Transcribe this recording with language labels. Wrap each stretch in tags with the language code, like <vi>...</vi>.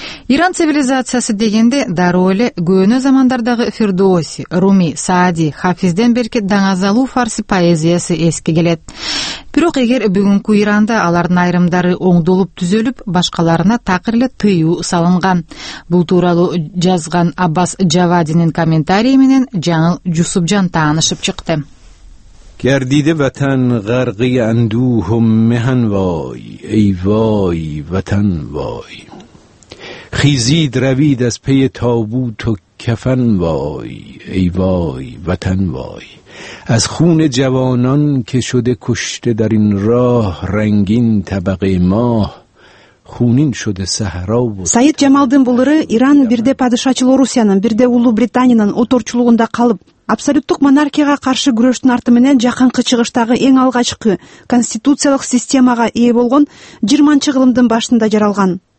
<ky>Иран цивилизациясы дегенде дароо эле көөнө замандардагы Фирдоуси, Руми, Саади, Хафизден берки даңазалуу фарси поэзиясы эске келет. Бирок эгер бүгүнкү Иранда алардын айрымдары оңдолуп түзөлүп, башкаларына такыр эле тыюу салынган. Бул тууралуу жазган Аббас Жавадинин комментарий менен Жаңыл Жусупжан таанышып чыкты.</ky> <fa>گردیده وطن غرقی اندوه و مهن وای ای وای وطن وای خیزید روید از پی تابوت و کفن وای ای وای وطن وای از خون جوانان که شده کشته در این راه رنگین طبقه ماه</fa> <ky>Саид Жамалдын булуру Иран бирде падышачыл Орусиянын, бирде Улуу Британиянын оторчулугунда калып, абсолюттук монархияга каршы күрөштүн арты менен жакынкы чыгыштагы эң алгачкы конституциялык системага ээ болгон 20-чы кылымдын башында жаралган.</ky>